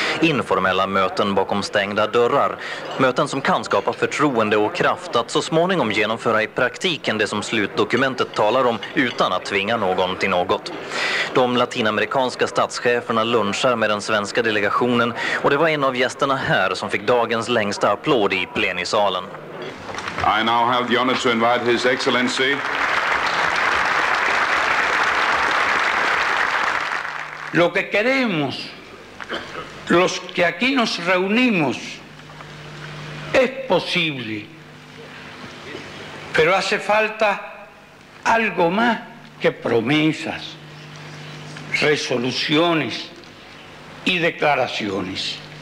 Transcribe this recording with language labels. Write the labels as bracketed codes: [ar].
[sv] Informella möten bakom stängda dörrar. Möten som kan skapa förtroende och kraft att så småningom genomföra i praktiken det som slutdokumentet talar om utan att tvinga någon till något. De latinamerikanska statscheferna lunchar med den svenska delegationen och det var en av gästerna här som fick dagens längsta applåd i plenisalen. [en] I now have the honor to invite His Excellency. [es] Lo que queremos, los que aquí nos reunimos, es posible, pero hace falta algo más que promesas, resoluciones y declaraciones.